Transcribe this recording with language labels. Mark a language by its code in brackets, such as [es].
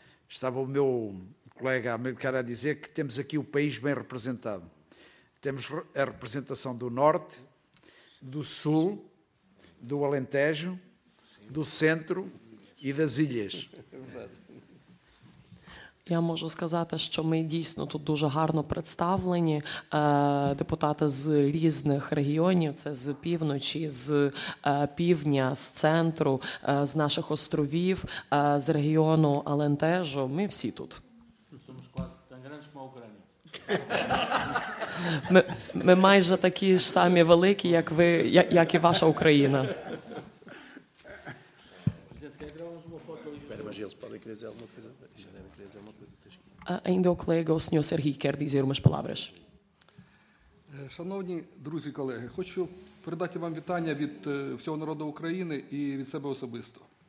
[pt] Estava o meu colega americano a dizer que temos aqui o país bem representado. Temos a representação do Norte, do Sul, do Alentejo, do Centro e das Ilhas. [uk] Я можу сказати, що ми дійсно тут дуже гарно представлені, депутати з різних регіонів, це з півночі, з півдня, з центру, з наших островів, з регіону Алентежу, ми всі тут. Ми майже такі ж самі великі, як ви, як і ваша Україна. [pt] Ainda o colega, o senhor Sergi, quer dizer umas palavras. [uk] Шановні друзі, колеги, хочу передати вам вітання від всього народу України і від себе особисто.